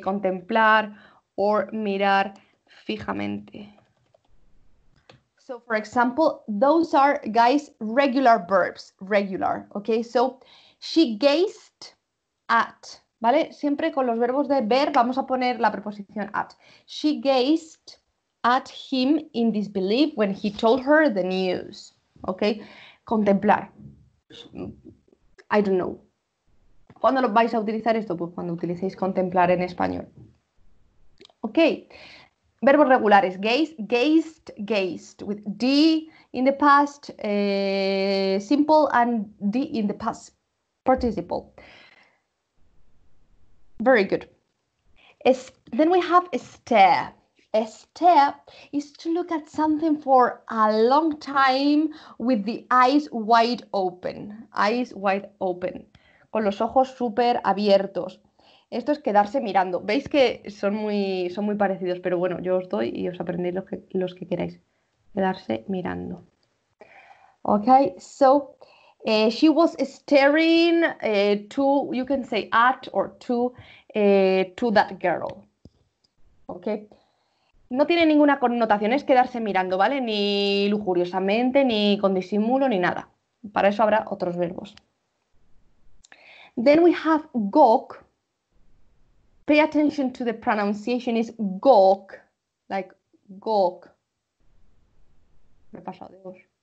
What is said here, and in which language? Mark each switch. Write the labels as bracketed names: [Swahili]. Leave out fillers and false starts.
[Spanish] Contemplar or mirar fijamente. [English] So, for example, those are, guys, regular verbs, regular, ¿ok? So, she gazed at, ¿vale? [Spanish] Siempre con los verbos de ver vamos a poner la preposición at. [English] She gazed at him in disbelief when he told her the news. ¿Ok? Contemplar. I don't know. [Spanish] ¿Cuándo vais a utilizar esto? Pues cuando utilicéis contemplar en español. ¿Ok? Verbos regulares. [English] Gaze, gazed, gazed. With D in the past, simple, and D in the past. Participle. Very good. Then we have stare. A stare is to look at something for a long time with the eyes wide open. Eyes wide open. [Spanish] Con los ojos súper abiertos. Esto es quedarse mirando. Veis que son muy parecidos, pero bueno, yo os doy y os aprendéis los que queráis. Quedarse mirando. [English] Okay, so she was staring to, you can say at or to that girl. Okay. [Spanish] No tiene ninguna connotación, es quedarse mirando, ¿vale? Ni lujuriosamente, ni con disimulo, ni nada. Para eso habrá otros verbos. [English] Then we have gawk. Pay attention to the pronunciation, is gawk. Like gawk. [Spanish] Me he pasado de voz.